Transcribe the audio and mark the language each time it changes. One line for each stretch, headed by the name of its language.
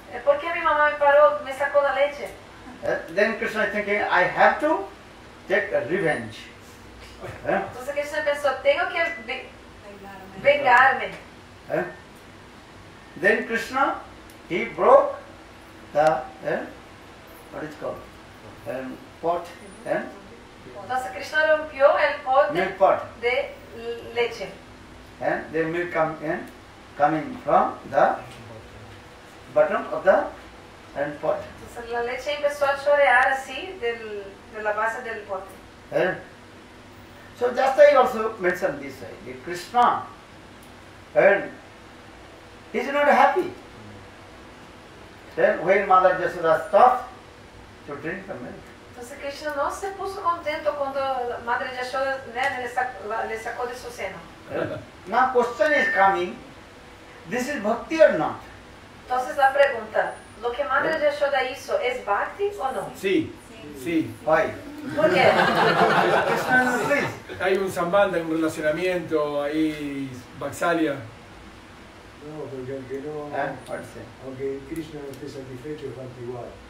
Spanish: ¿Por qué mi mamá me paró, me sacó la leche?
English: Then Krishna is thinking, I have to take a revenge.
Spanish: Entonces Krishna pensó, tengo que vengarme.
English: Then Krishna, he broke the, what is it called? Pot.
Spanish: Entonces Krishna rompió el pot,
English: milk pot.
Spanish: De leche.
English: And the milk coming from the bottom of the pot.
Spanish: Entonces la leche empezó a chorrear así de la base del pote.
English: So Jastai also mentioned this way, the Krishna, he's not happy. Then when Mother Yashoda stopped to drink the milk.
Spanish: Entonces Krishna no se puso contento cuando Madre Yashoda le sacó de su seno.
English: Now question is coming, this is bhakti or not?
Spanish: Entonces la pregunta, lo que Madre Yashoda hizo es bhakti o no? Sí.
English: Why?
Spanish: Porque hay un sambandha, hay un relacionamiento, ahí vaxalia. No, porque aunque no, aunque Krishna no esté satisfecho, es bhakti igual.